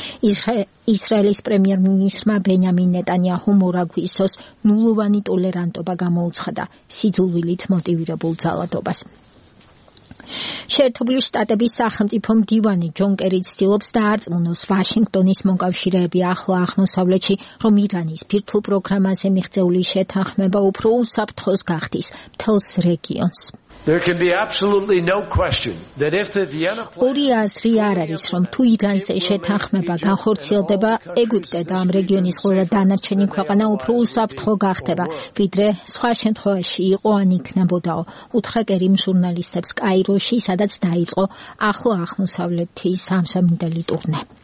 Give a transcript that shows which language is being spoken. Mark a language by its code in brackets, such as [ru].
[ka] ისრაელის პრემიერ-მინისტრმა ბენიამინ ნეტანიაჰუმ ორაგვისოს ნულოვანი ტოლერანტობა გამოუცხადა სიძულვილით მოტივირებულ ძალადობას. შეერთებული შტატების სახელმწიფო მდივანი ჯონ კერი ცდილობს დაარწმუნოს ვაშინგტონის მოკავშირეები ახლო აღმოსავლეთში, რომ ირანის ფირთულ პროგრამაზე მიღწეული შეთანხმება უფრო უსაფრთხოს გახდის მთელს რეგიონს. [en] There can be absolutely no question that if the Vienna plan [ka] ორი აზრი არ არის, რომ თუ ირანზე შეთანხმება განხორციელდება, ეგვიპტე და ამ რეგიონის ყველა დანარჩენი ქვეყანა უფრო უსაფრთხო გახდება, ვიდრე სხვა შემთხვევაში იყო ან იქნებოდაო, უთხრა კერი ჟურნალისტებს კაიროში, სადაც დაიწყო ახლო აღმოსავლეთის სამსამინდელი ტურნე.